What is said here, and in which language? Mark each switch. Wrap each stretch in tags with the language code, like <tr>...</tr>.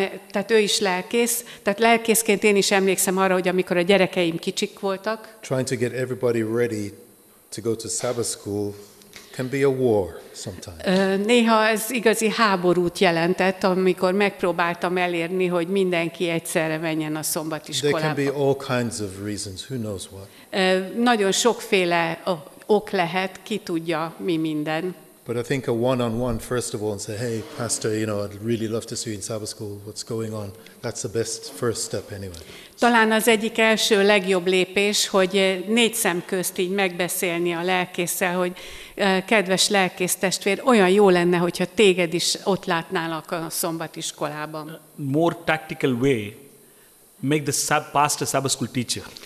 <hu>Tehát ő is lelkész, tehát lelkészként én is emlékszem arra, hogy amikor a gyerekeim kicsik voltak.</hu> <en>Trying to get everybody ready to go to Sabbath school can be a war sometimes.</en> <hu>Néha ez igazi háborút jelentett, amikor megpróbáltam elérni, hogy mindenki egyszerre menjen a szombatiskolába.</hu> <en>There can be all kinds of reasons, who knows what.</en> <hu>Nagyon sokféle ok lehet, ki tudja mi minden.</hu> <en>But I think a one-on-one, first of all, and say, hey, pastor, you know, I'd really love to see you in Sabbath school. What's going on? That's the best first step anyway.</en> <hu>Talán az egyik első legjobb lépés, hogy négy szem közt így megbeszélni a lelkésszel, hogy kedves lelkész testvér, olyan jó lenne, hogyha téged is ott látnálak a szombatiskolában.</hu> <en>More tactical way, make the pastor Sabbath school teacher.</en>